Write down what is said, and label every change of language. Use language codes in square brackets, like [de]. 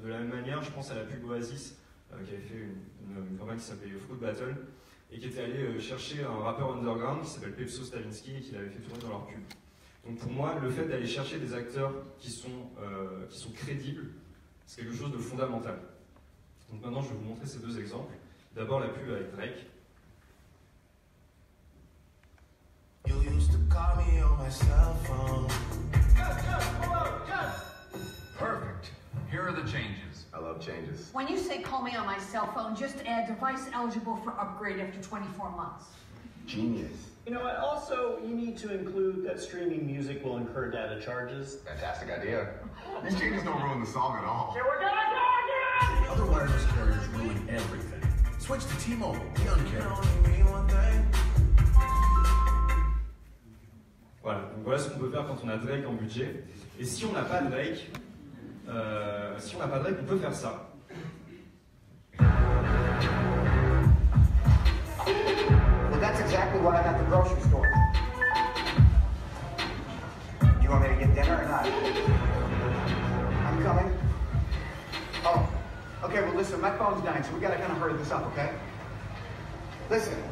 [fr] De la même manière, je pense à la pub Oasis, qui avait fait une campagne qui s'appelait « Fruit Battle », et qui était allé chercher un rappeur underground qui s'appelle Pepso Stalinski et qui l'avait fait tourner dans leur pub. Donc pour moi, le fait d'aller chercher des acteurs qui sont crédibles, c'est quelque chose de fondamental. Donc maintenant, je vais vous montrer ces deux exemples. D'abord, la pub avec Drake. [en] You used to call me on my cell phone. Perfect. Here are the changes. I love changes. When you say call me on my cell phone, just add device eligible for upgrade after 24 months. Genius. You know what? Also, you need to include that streaming music will incur data charges. Fantastic idea. These changes don't ruin the song at all. Here we're gonna talk it! The other wireless carriers ruin everything. Switch to T-Mobile. Be uncaring. You only mean one thing. [fr] Voilà. Donc voilà ce qu'on peut faire quand on a Drake en budget. Et si on n'a pas Drake, on peut faire ça. [en] Well, that's exactly why I'm at the grocery store. You want me to get dinner or not? I'm coming. Oh, okay. Well, listen, my phone's dying, so we gotta kind of hurry this up, okay? Listen.